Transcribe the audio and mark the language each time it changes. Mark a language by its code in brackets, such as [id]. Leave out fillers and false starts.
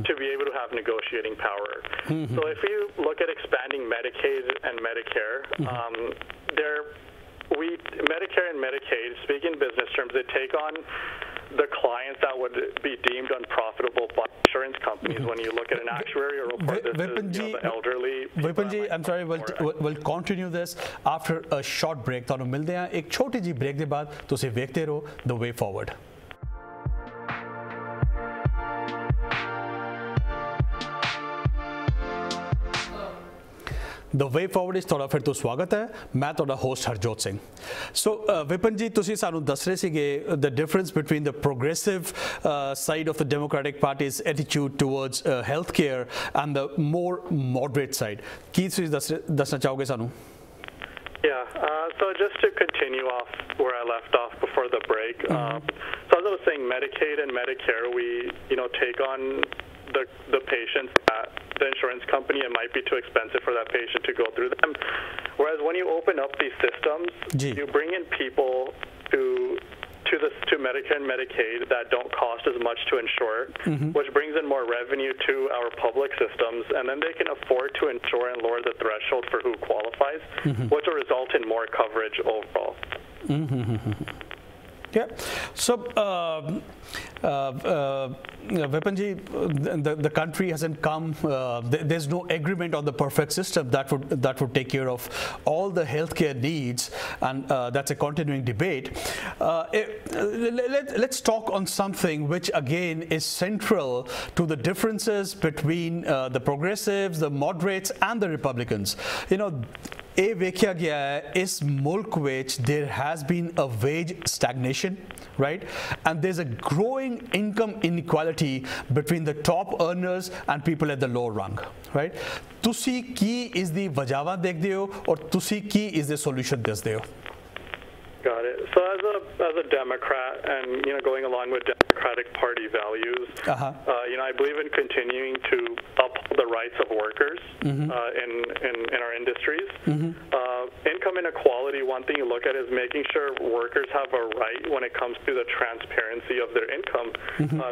[en] to be able to have negotiating power. Mm-hmm. So if you look at expanding Medicaid and Medicare, mm-hmm. Medicare and Medicaid, speaking business terms, they take on the clients that would be deemed unprofitable by insurance companies. Mm-hmm. When you look at an actuary or report, the elderly. Vipinji, I'm sorry, we'll continue this after a short break. [pa] ਤੁਹਾਨੂੰ ਮਿਲਦੇ ਹਾਂ ਇੱਕ ਛੋਟੀ ਜਿਹੀ break ਦੇ ਬਾਅਦ. ਤੁਸੀਂ ਵੇਖਦੇ ਰਹੋ ਦ ਵੇ ਫਾਰਵਰਡ. ਦ ਵੇ ਫੋਰਵਰਡ ਇਸ ਤੁਹਾਡਾ ਫਿਰ ਤੋਂ ਸਵਾਗਤ ਹੈ. ਮੈਂ ਤੁਹਾਡਾ ਹੋਸਟ ਹਰਜੋਤ ਸਿੰਘ. [en] so Vipan ji, [pa] ਤੁਸੀਂ ਸਾਨੂੰ ਦੱਸ ਰਹੇ ਸੀਗੇ [en] The difference between the progressive side of the democratic parties ਐਟੀਚਿਊਡ towards health care and the more moderate side. [pa] ਕੀ ਤੁਸੀਂ ਦੱਸਣਾ ਚਾਹੋਗੇ ਸਾਨੂੰ? [en] Yeah, so just to continue off where I left off before the break, mm-hmm. So as I was saying, Medicaid and Medicare, we, you know, take on the patients that the insurance company, it might be too expensive for that patient to go through them. Whereas when you open up these systems, Gee. You bring in people to Medicare and Medicaid that don't cost as much to insure, mm-hmm. which brings in more revenue to our public systems, and then they can afford to insure and lower the threshold for who qualifies, mm-hmm. which will result in more coverage overall. Mm-hmm. Yeah. So, Vipinji, the country hasn't come, there's no agreement on the perfect system that would take care of all the healthcare needs, and that's a continuing debate. Let's talk on something which again is central to the differences between the progressives, the moderates, and the Republicans. You know, [pa] ਇਹ ਵੇਖਿਆ ਗਿਆ ਹੈ ਇਸ ਮੁਲਕ ਵਿੱਚ [en] There has been a wage stagnation, right, and there is a growing income inequality between the top earners and people at the lower rung, right. [pa] ਤੁਸੀਂ ਕੀ ਇਸ ਦੀ ਵਜਾਵਾਂ ਦੇਖਦੇ ਹੋ ਔਰ ਤੁਸੀਂ ਕੀ ਇਸ ਦੇ ਸੋਲਿਊਸ਼ਨ ਦੱਸਦੇ ਹੋ? [en] Got it. So as a Democrat, and you know, going along with Democratic Party values, you know, I believe in continuing to uphold the rights of workers, mm-hmm. in our industries. Mm-hmm. Income inequality, one thing you look at is making sure workers have a right when it comes to the transparency of their income. Mm-hmm.